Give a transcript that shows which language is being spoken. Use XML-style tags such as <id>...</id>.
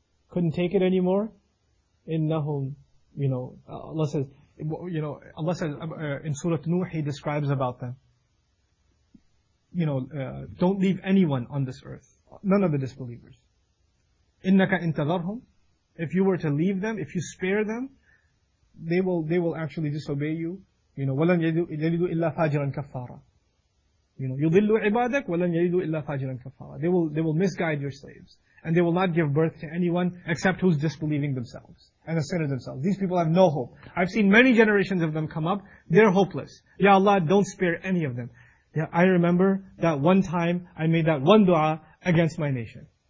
<en>Couldn't take it anymore. إِنَّهُمْ, you know, Allah says, you know, Allah says in Surah Nuh, He describes about them. You know, don't leave anyone on this earth. None of the disbelievers.</en> <ar>إِنَّكَ إِن تَذَرْهُمْ,</ar> <en>if you were to leave them, if you spare them, they will actually disobey you. You know,</en> <ar>وَلَنْ يَلِدُوا إِلَّا فَاجِرًا كَفَّارًا. You know, يُضِلُّ عِبَادَكَ وَلَنْ يَلِدُوا إِلَّا فَاجِرًا كَفَّارًا.</ar> <en>They will misguide your slaves. And they will not give birth to anyone except who's disbelieving themselves and a sinner themselves. These people have no hope. I've seen many generations of them come up. They're hopeless. Ya Allah, don't spare any of them. Yeah, I remember that one time I made that one dua against my nation.</en>